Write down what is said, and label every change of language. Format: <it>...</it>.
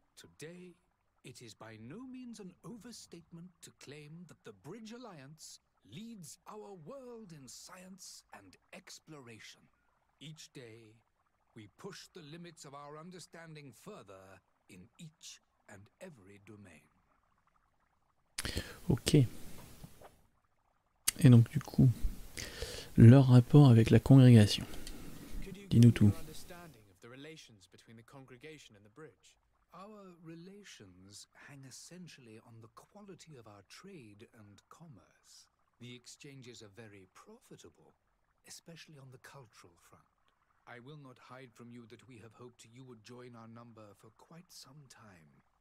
<en>Today, it is by no means an overstatement to claim that the Bridge Alliance leads our world in science and exploration. Each day, we push the limits of our understanding further in each and every domain. Ok.</en> <fr>Et donc du coup, leur rapport avec la congrégation. Dis-nous tout.</fr> <en>Understanding of the relations between the congregation and the bridge. Our relations hang essentially on the quality of our trade and commerce. The exchanges are very profitable, especially on the cultural front. I will not hide from you that we have hoped you would join our number for quite some time.</en>